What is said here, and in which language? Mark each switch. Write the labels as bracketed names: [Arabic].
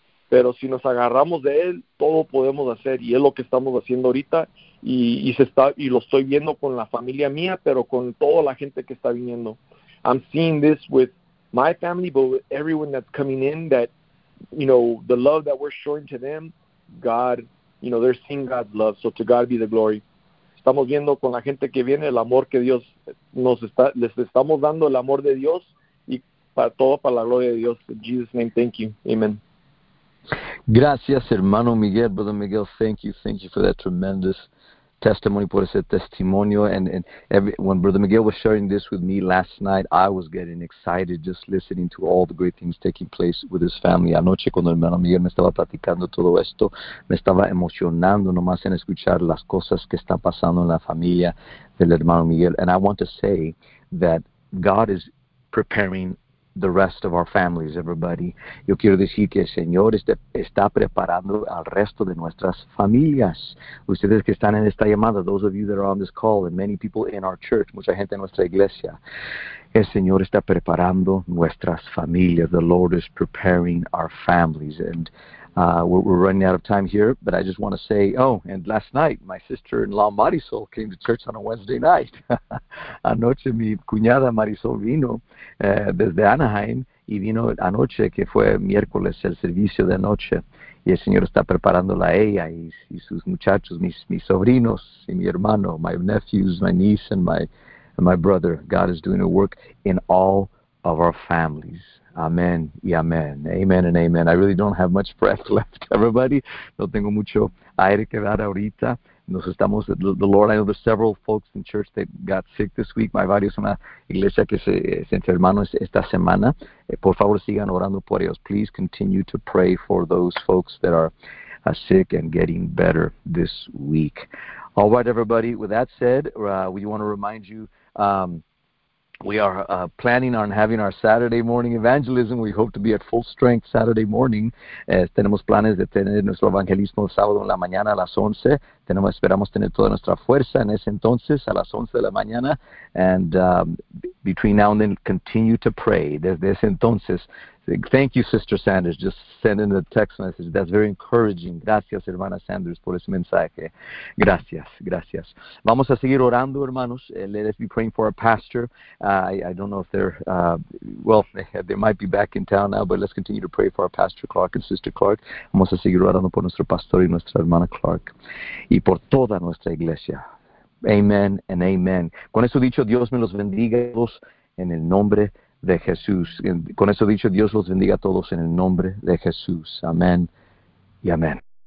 [Spanish] Pero si nos agarramos de él, todo podemos hacer." Y es lo que estamos haciendo ahorita. Y lo estoy viendo con la familia mía, pero con toda la gente que está viniendo. [English] I'm seeing this with my family, but with everyone that's coming in, that, you know, the love that we're showing to them, God, you know, they're seeing God's love. So to God be the glory. [Spanish] Estamos viendo con la gente que viene el amor que Dios nos está, les estamos dando el amor de Dios, y para todo, para la gloria de Dios. [English] In Jesus' name, thank you. Amen. [Spanish] Gracias, hermano Miguel. [English] Brother Miguel, thank you. Thank you for that tremendous testimony, [Spanish] por ese testimonio. [English] And every, when Brother Miguel was sharing this with me last night, I was getting excited just listening to all the great things taking place with his family. [Spanish] Anoche, cuando el hermano Miguel me estaba platicando todo esto, me estaba emocionando nomás en escuchar las cosas que están pasando en la familia del hermano Miguel. [English] And I want to say that God is preparing the rest of our families, everybody. [Spanish] Yo quiero decir que el Señor está preparando al resto de nuestras familias. Ustedes que están en esta llamada, [English] those of you that are on this call, and many people in our church, [Spanish] mucha gente en nuestra iglesia, el Señor está preparando nuestras familias. [English] The Lord is preparing our families. And we're running out of time here, but I just want to say, oh, and last night, my sister-in-law Marisol came to church on a Wednesday night. [Spanish] Anoche, mi cuñada Marisol vino desde Anaheim, y vino anoche, que fue miércoles, el servicio de anoche, y el Señor está preparándola a ella y sus muchachos, mis sobrinos y mi hermano, [English] my nephews, my niece, and my brother. God is doing a work in all of our families. [Spanish] Amen y amen. [English] Amen and amen. I really don't have much breath left, everybody. [Spanish] No tengo mucho aire que dar ahorita. Nos estamos, [English] the Lord, I know there's several folks in church that got sick this week. [Spanish] My varios en la iglesia que se enfermaron esta semana. Por favor, sigan orando por ellos. [English] Please continue to pray for those folks that are sick and getting better this week. All right, everybody. With that said, we want to remind you, we are planning on having our Saturday morning evangelism. We hope to be at full strength Saturday morning. [Spanish] Tenemos planes de tener nuestro evangelismo el sábado en la mañana a las 11. tenemos, esperamos tener toda nuestra fuerza en ese entonces a las 11 de la mañana. [English] And between now and then, continue to pray. [Spanish] Desde ese entonces, [English] thank you, Sister Sanders, just sending the text message. That's very encouraging. [Spanish] Gracias, hermana Sanders, por ese mensaje. Gracias, gracias. Vamos a seguir orando, hermanos. [English] Let us be praying for our pastor. I don't know if they're, they might be back in town now, but let's continue to pray for our pastor Clark and Sister Clark. [Spanish] Vamos a seguir orando por nuestro pastor y nuestra hermana Clark y por toda nuestra iglesia. [English] Amen and amen. [Spanish] Con eso dicho, Dios me los bendiga a todos en el nombre de Jesús. Con eso dicho, Dios los bendiga a todos en el nombre de Jesús. Amén y amén.